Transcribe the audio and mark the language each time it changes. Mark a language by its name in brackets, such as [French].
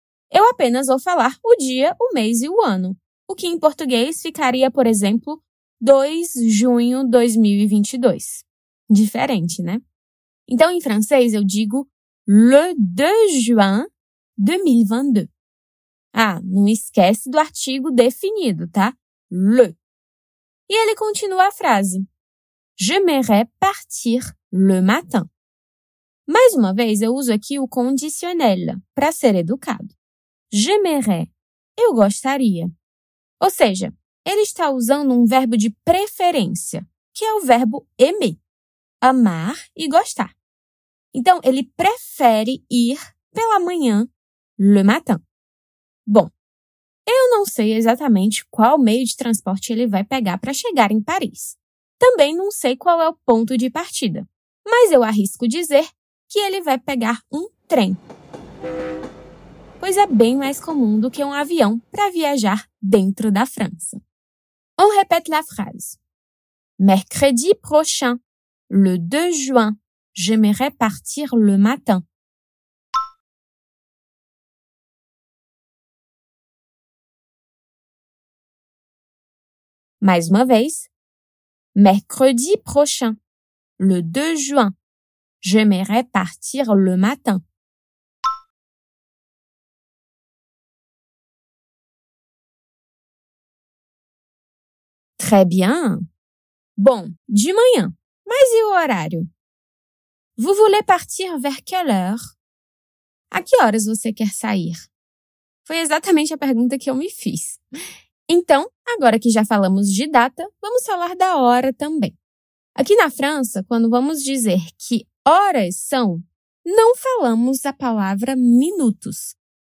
[Portuguese] Eu apenas vou falar o dia, o mês e o ano, o que em português ficaria, por exemplo, 2 junho 2022. Diferente, né? Então, em francês, eu digo [French] le 2 juin 2022. [Portuguese] Ah, não esquece do artigo definido, tá? Le. E ele continua a frase. [French] J'aimerais partir le matin. [Portuguese] Mais uma vez, eu uso aqui o conditionnel para ser educado. J'aimerais, eu gostaria. Ou seja, ele está usando um verbo de preferência, que é o verbo aimer, amar e gostar. Então, ele prefere ir pela manhã, [French] le matin. [Portuguese] Bom, eu não sei exatamente qual meio de transporte ele vai pegar para chegar em Paris. Também não sei qual é o ponto de partida, mas eu arrisco dizer que ele vai pegar um trem. Pois é bem mais comum do que um avião para viajar dentro da França. [French] On répète la phrase. Mercredi prochain, le 2 juin, j'aimerais partir le matin. [Portuguese] Mais uma vez. [French] Mercredi prochain, le 2 juin, j'aimerais partir le matin. Très bien. Bon, [Portuguese] de manhã. Mas e o horário? [French] Vous voulez partir vers quelle heure? [Portuguese] A que horas você quer sair? Foi exatamente a pergunta que eu me fiz. Então, agora que já falamos de data, vamos falar da hora também. Aqui na França, quando vamos dizer que horas são, não falamos a palavra minutos.